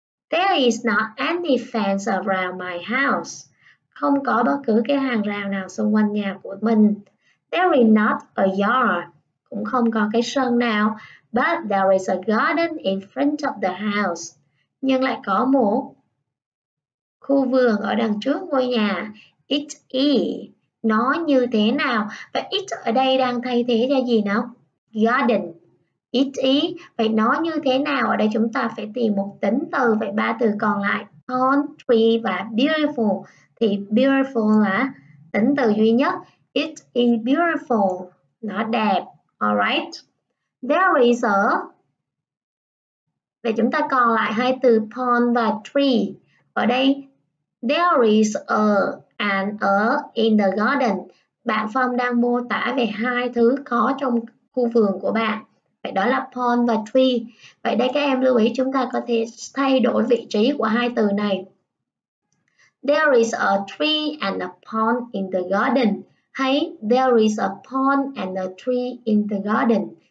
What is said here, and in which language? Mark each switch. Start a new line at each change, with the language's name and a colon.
English: There is not any fence around my house.
Vietnamese: Không có bất cứ cái hàng rào nào xung quanh nhà của mình.
English: There is not a yard.
Vietnamese: Cũng không có cái sân nào.
English: But there is a garden in front of the house.
Vietnamese: Nhưng lại có một khu vườn ở đằng trước ngôi nhà.
English: It is.
Vietnamese: Nó như thế nào? Và it ở đây đang thay thế cho gì nào?
English: Garden. It is.
Vietnamese: Vậy nó như thế nào? Ở đây chúng ta phải tìm một tính từ. Vậy ba từ còn lại. Pond, tree và beautiful. Thì beautiful là tính từ duy nhất.
English: It is beautiful.
Vietnamese: Nó đẹp.
English: Alright. There is a.
Vietnamese: Vậy chúng ta còn lại hai từ pond và tree. Ở đây,
English: there is a. And a in the garden.
Vietnamese: Bạn Phong đang mô tả về hai thứ có trong khu vườn của bạn. Vậy đó là pond và tree. Vậy đây các em lưu ý chúng ta có thể thay đổi vị trí của hai từ này.
English: There is a tree and a pond in the garden.
Vietnamese: Hay
English: there is a pond and a tree in the garden.